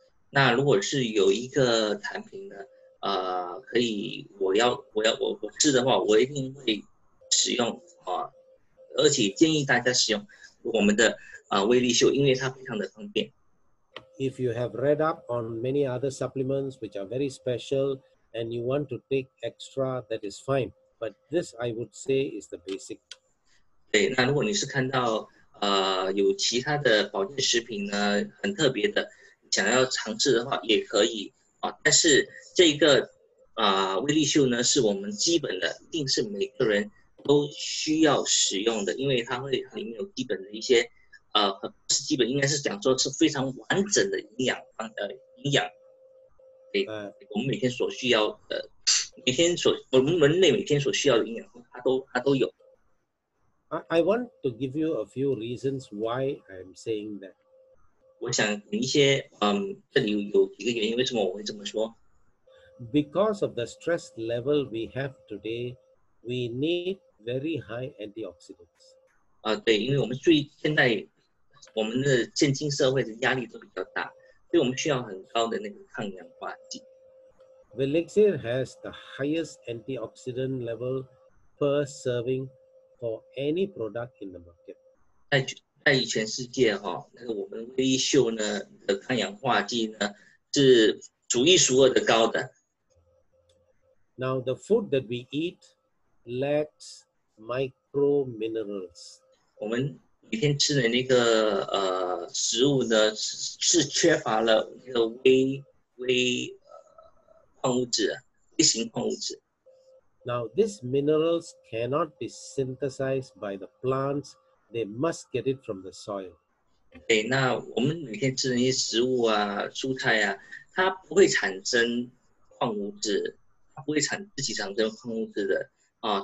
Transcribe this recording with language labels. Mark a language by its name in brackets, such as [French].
[Chinese] 那如果是有一个产品呢，可以我吃的话，我一定会使用啊，而且建议大家使用我们的威力秀，因为它非常的方便。 [English] If you have read up on many other supplements which are very special and you want to take extra, that is fine. But this I would say is the basic. [Chinese] 对，那如果你是看到有其他的保健食品呢，很特别的。想要尝试的话也可以、但是这个威力秀呢是我们基本的，一定是每个人都需要使用的，因为它会里面有基本的一些不是基本，应该是讲说是非常完整的营养我们每天所需要的，每天所我们人类每天所需要的营养它都有。 [English] I want to give you a few reasons why I'm saying that. [Chinese] 我想一些这里有一个原因，为什么我会这么说？ [English] Because of the stress level we have today, we need very high antioxidants. [Chinese] 对，因为我们现在我们的现今社会的压力都比较大，所以我们需要很高的那个抗氧化剂。 [English] Velixir has the highest antioxidant level per serving for any product in the market. [Chinese] 在全世界我们威力秀呢的抗氧化剂呢是数一数二的高的。 [English] Now the food that we eat lacks micro minerals. [Chinese] 我们每天吃的那个食物呢是缺乏了那个微矿物质，微型矿物质。 [English] Now these minerals cannot be synthesized by the plants. They must get it from the soil. [Chinese] 对，那我们每天吃的一些食物啊、蔬菜啊，它不会产生矿物质，它不会自己产生矿物质的啊。